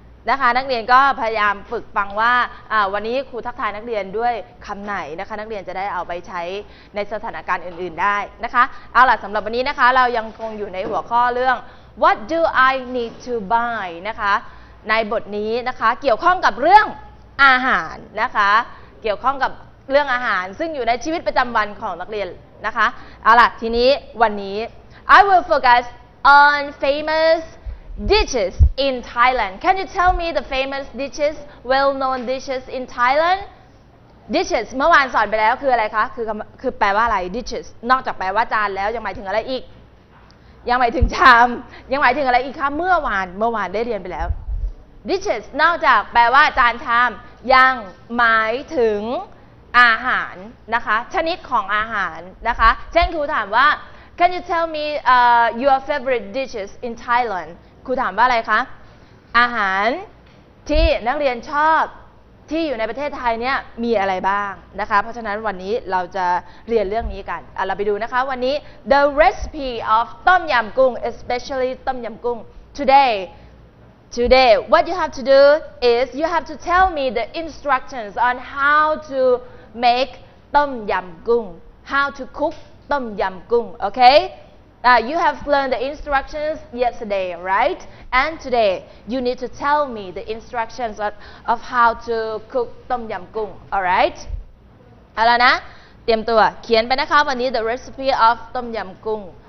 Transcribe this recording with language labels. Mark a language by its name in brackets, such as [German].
[Thai] นะคะนักเรียนก็พยายามฝึกฟังว่าวันนี้ครูทักทายนักเรียนด้วยคำไหนนะคะนักเรียนจะได้เอาไปใช้ในสถานการณ์อื่นๆได้นะคะเอาล่ะสำหรับวันนี้นะคะเรายังคงอยู่ในหัวข้อเรื่อง What do I need to buy นะคะในบทนี้นะคะเกี่ยวข้องกับเรื่องอาหารนะคะเกี่ยวข้องกับเรื่องอาหารซึ่งอยู่ในชีวิตประจำวันของนักเรียนนะคะเอาล่ะทีนี้วันนี้ [English] I will focus on famous dishes in Thailand. Can you tell me the famous dishes, well-known dishes in Thailand? [Thai] Dishes เมื่อวานสอนไปแล้วคืออะไรคะคือแปลว่าอะไร dishes นอกจากแปลว่าจานแล้วยังหมายถึงอะไรอีกยังหมายถึงชามยังหมายถึงอะไรอีกคะเมื่อวานได้เรียนไปแล้วDishes นอกจากแปลว่าจานชามยังหมายถึงอาหารนะคะชนิดของอาหารนะคะเช่นครูถามว่า [English] Can you tell me your favorite dishes in Thailand [Thai] ครูถามว่าอะไรคะอาหาร ที่นักเรียนชอบที่อยู่ในประเทศไทยเนี่ยมีอะไรบ้างนะคะเพราะฉะนั้นวันนี้เราจะเรียนเรื่องนี้กันเราไปดูนะคะวันนี้ [English] The recipe of ต้มยำกุ้ง especially ต้มยำกุ้ง todayToday, what you have to do is you have to tell me the instructions on how to make tom yam gung, how to cook tom yam gung, okay? You have learned the instructions yesterday, right? And today, you need to tell me the instructions of how to cook tom yam gung, alright? [Thai] เอาล่ะนะเตรียมตัวเขียนไปนะคะวันนี้ [English] the recipe of tom yam gung.